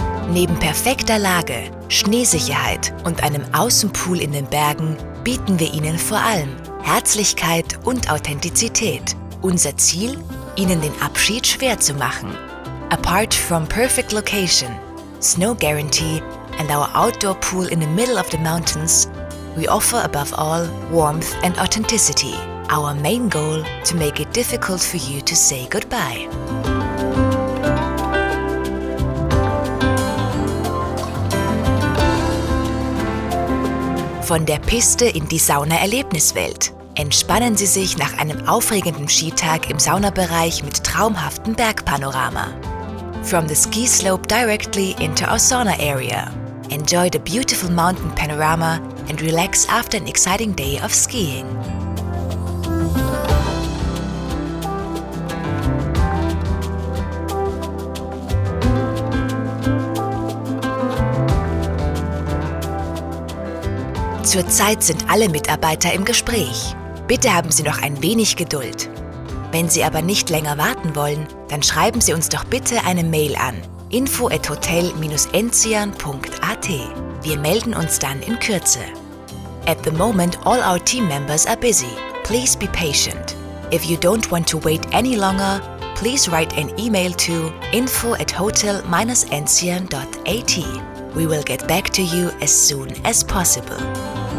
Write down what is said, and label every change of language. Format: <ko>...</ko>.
<de>Neben perfekter Lage, Schneesicherheit und einem Außenpool in den Bergen bieten wir Ihnen vor allem Herzlichkeit und Authentizität. Unser Ziel? Ihnen den Abschied schwer zu machen.</de> <en>Apart from perfect location, snow guarantee and our outdoor pool in the middle of the mountains, we offer above all warmth and authenticity. Our main goal to make it difficult for you to say goodbye.</en> <de>Von der Piste in die Sauna-Erlebniswelt. Entspannen Sie sich nach einem aufregenden Skitag im Saunabereich mit traumhaftem Bergpanorama.</de> <en>From the ski slope directly into our sauna area. Enjoy the beautiful mountain panorama and relax after an exciting day of skiing.</en> <de>Zurzeit sind alle Mitarbeiter im Gespräch. Bitte haben Sie noch ein wenig Geduld. Wenn Sie aber nicht länger warten wollen, dann schreiben Sie uns doch bitte eine Mail an info@hotel-enzian.at. Wir melden uns dann in Kürze.</de> <en>At the moment, all our team members are busy. Please be patient. If you don't want to wait any longer, please write an email to info@hotel-enzian.at. We will get back to you as soon as possible.</en>